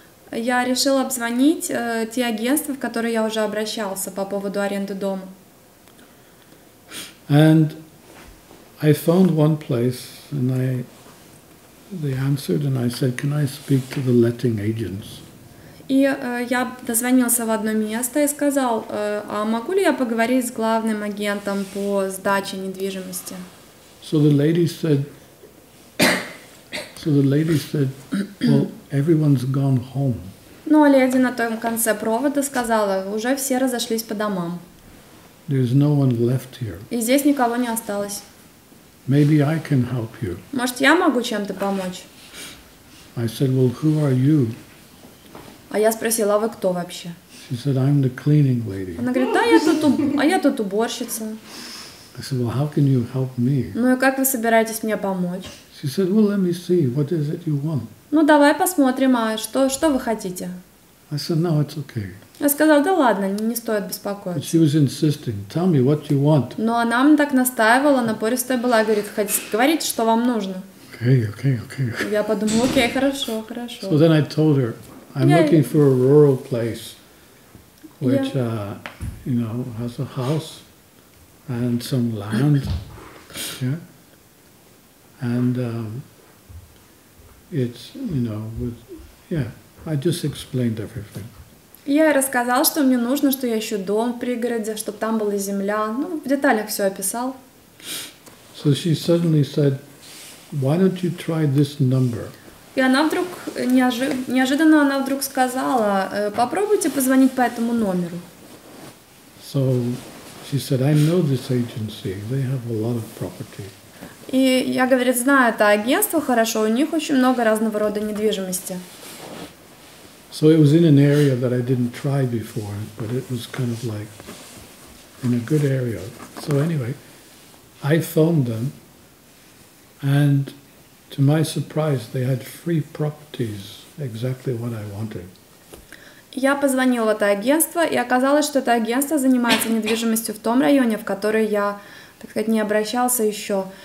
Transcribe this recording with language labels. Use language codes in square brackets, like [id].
[ru] Я решил обзвонить те агентства, в которые я уже обращался по поводу аренды дома. [en] And I found one place, and they answered, and I said, "Can I speak to the letting agents?" [ru] И я дозвонился в одно место и сказал, а могу ли я поговорить с главным агентом по сдаче недвижимости? [en] So the lady said, well, everyone's gone home. [ru] Ну, а леди на том конце провода сказала, уже все разошлись по домам. [en] There's no one left here. [ru] И здесь никого не осталось. [en] Maybe I can help you. [ru] Может, я могу чем-то помочь? [en] I said, well, who are you? [ru] А я спросила, а вы кто вообще? [en] She said, I'm the cleaning lady. [ru] Она говорит, да, я тут уборщица. [en] I said, well, how can you help me? [ru] Ну и как вы собираетесь мне помочь? [en] She said, well, let me see, what is it you want? [ru] Ну давай посмотрим, а что вы хотите? [en] I said, no, it's okay. [ru] Я сказала, да ладно, не стоит беспокоиться. [en] But she was insisting, tell me what you want. [ru] Но она мне так настаивала, напористая была, говорит, говорите, что вам нужно. [en] Okay. [ru] Я подумала, окей, хорошо. [en] So then I told her, I'm looking for a rural place, which, you know, has a house and some land, yeah, and it's, you know, with, yeah, I just explained everything. [ru] Я рассказал, что мне нужно, что я ищу дом в пригороде, чтобы там была земля, ну, в деталях все описал. [en] So she suddenly said, why don't you try this number? [ru] И она вдруг, неожиданно она вдруг сказала, попробуйте позвонить по этому номеру. [en] So she said, I know this agency, they have a lot of property. [ru] И я, говорит, знаю это агентство хорошо, у них очень много разного рода недвижимости. [en] So it was in an area that I didn't try before, but it was kind of like in a good area. So anyway, I phoned them and to my surprise, they had free properties, exactly what I wanted. [ru] Я позвонил в это агентство, и оказалось, что это агентство занимается недвижимостью в том районе, в который я, так сказать, не обращался еще.